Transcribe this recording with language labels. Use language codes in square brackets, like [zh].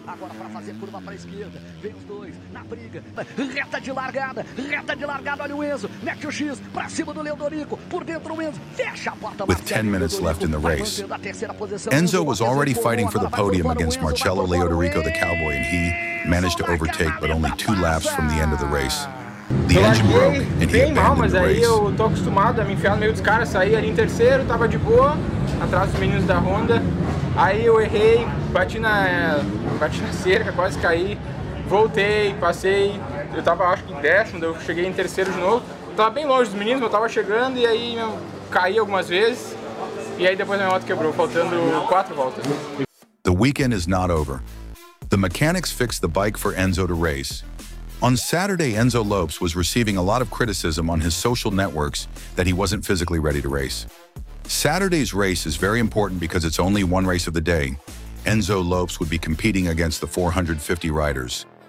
[pt] Agora para fazer curva para a esquerda, vem os dois na briga. Reta de largada, reta de largada. Olha o Enzo, mete o X para cima do Leodorico. Por dentro o Enzo, fecha a porta. Marcelo. [en] With 10 minutes left in the race, Enzo was already fighting for the podium against Marcelo Leodorico, the cowboy, and he managed to overtake, but only 2 laps from the end of the race. The engine broke and he abandoned the race. [pt] Mas aí eu tô acostumado a me enfiar no meio dos caras, saí ali em terceiro, tava de boa, atrás dos meninos da Honda. Aí eu errei, bati na cerca, quase caí, voltei, passei, eu tava acho que em décimo, eu cheguei em terceiro de novo. Eu tava bem longe dos meninos, mas eu tava chegando e aí eu caí algumas vezes, e aí depois a minha moto quebrou, faltando 4 voltas. [en] The weekend is not over. The mechanics fixed the bike for Enzo to race. On Saturday, Enzo Lopes was receiving a lot of criticism on his social networks that he wasn't physically ready to race. Saturday's race is very important because it's only one race of the day. Enzo Lopes would be competing against the 450 riders.